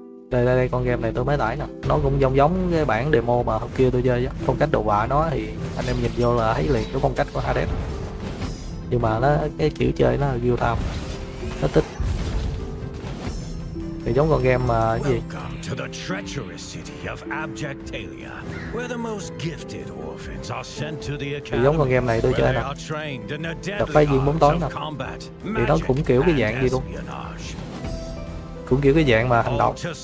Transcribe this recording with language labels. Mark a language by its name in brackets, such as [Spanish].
[Vietnamese] Đây đây đây, con game này tôi mới tải nè. Nó cũng giống giống cái bản demo mà hôm kia tôi chơi đó. Phong cách đồ họa nó thì anh em nhìn vô là thấy liền cái phong cách của Hades. Nhưng mà nó cái kiểu chơi nó real time. Nó thích. Thì giống con game mà cái gì? [English] Welcome to the treacherous city of Abjectalia, where the most gifted orphans are sent to the academy. [Vietnamese] Giống con game này tôi chơi nè. Đập phá diện bóng tối nè. Thì nó cũng kiểu cái dạng gì luôn. Cũng kiểu cái dạng mà hành động.